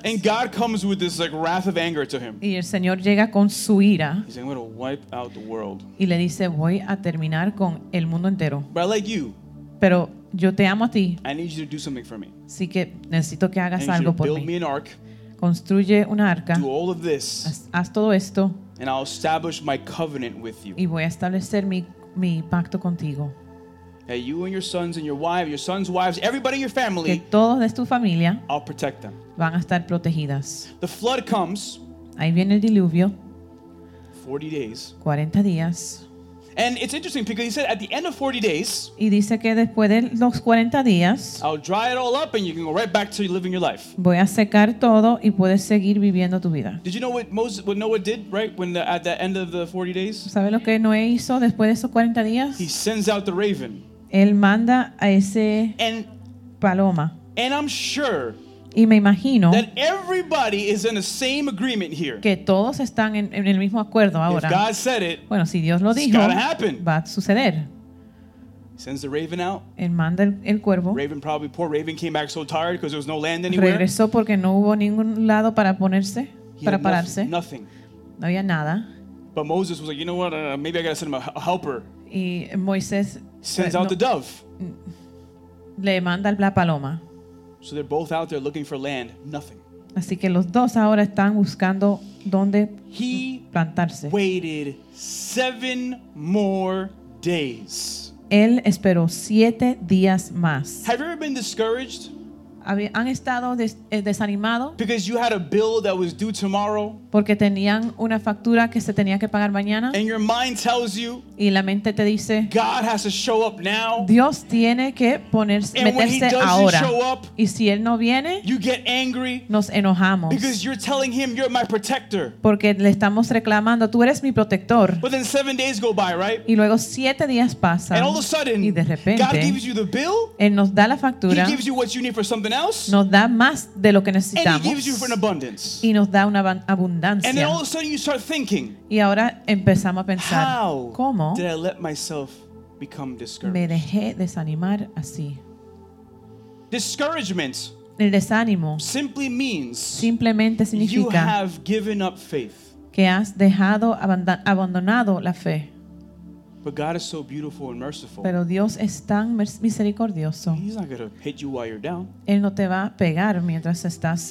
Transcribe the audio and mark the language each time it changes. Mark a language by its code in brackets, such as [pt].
[en] And God comes with this like wrath of anger to him. [es] Y el Señor llega con su ira. [en] He's saying, I'm going to wipe out the world. [es] Y le dice, voy a terminar con el mundo entero. [en] But I like you. [es] Pero yo te amo a ti. [en] I need you to do something for me. [es] Así que necesito que hagas algo por mí. [en] Build me an ark. [es] Construye una arca. [en] Do all of this, [es] haz todo esto. [en] And I'll establish my covenant with you. [es] Y voy a establecer mi pacto contigo. [en] Hey, you and your sons and your wives, your sons' wives, everybody in your family. [es] Que todos de tu familia. [en] I'll protect them. [es] Van a estar protegidas. [en] The flood comes. [es] Ahí viene el diluvio. [en] 40 days. [es] 40 días. [en] And it's interesting because he said at the end of 40 days. [es] Y dice que después de los 40 días. [en] I'll dry it all up and you can go right back to living your life. [es] Voy a secar todo y puedes seguir viviendo tu vida. [en] Did you know what Moses, what Noah did, right? When at the end of the 40 days. [es] ¿Sabes lo que Noé hizo después de esos 40 días? [en] He sends out the raven. [es] Él manda a ese [en] and, [es] paloma. [en] And I'm sure. [es] Y me imagino [en] that everybody is in the same agreement here. [es] Que todos están en el mismo acuerdo ahora. [en] If God said it, [es] bueno, si Dios lo dijo, [en] it's gotta happen. [es] Va a suceder. [en] Sends the raven out. [es] Él manda el cuervo. [en] Raven probably, poor raven came back so tired because there was no land anywhere. [es] Regresó porque no hubo ningún lado para ponerse, [en] he [es] para pararse. [en] Nothing. [es] No había nada. [en] But Moses was like, you know what? Maybe I gotta send him a helper. [es] Y Moisés [en] sends out the dove. [es] Le manda la paloma. [en] So they're both out there looking for land, nothing. [es] Así que los dos ahora están buscando dónde plantarse. [en] He waited 7 more days. [es] él esperó 7 días más. [en] Have you ever been discouraged? [es] ¿Han estado desanimados? [en] Because you had a bill that was due tomorrow. [es] Porque tenían una factura que se tenía que pagar mañana. [en] And your mind tells you. [es] Y la mente te dice. [en] God has to show up now. [es] Dios tiene que ponerse, meterse ahora. [en] And when he doesn't show up, [es] y si él no viene, [en] you get angry. [es] Nos enojamos. [en] Because you're telling him you're my protector. [es] Porque le estamos reclamando, tú eres mi protector. [en] But then 7 days go by, right? [es] Y luego 7 días pasan. [en] And all of a sudden, [es] y de repente, [en] God gives you the bill. [es] Él nos da la factura. [en] He gives you what you need for something. [es] Nos da más de lo que necesitamos, [en] and he gives you for an abundance. [es] Y nos da una abundancia. [en] And then all of a sudden you start thinking, [es] y ahora empezamos a pensar, [en] how [es] ¿cómo [en] did I let myself become discouraged? [es] Me dejé desanimar así. [en] Discouragement, [es] el desánimo, [en] simply means, [es] simplemente significa, [en] you have given up faith. [es] Que has dejado abandonado la fe. [en] But God is so beautiful and merciful. [es] Pero Dios es tan misericordioso. [en] He's not going to hit you while you're down. [es] Él no te va a pegar mientras estás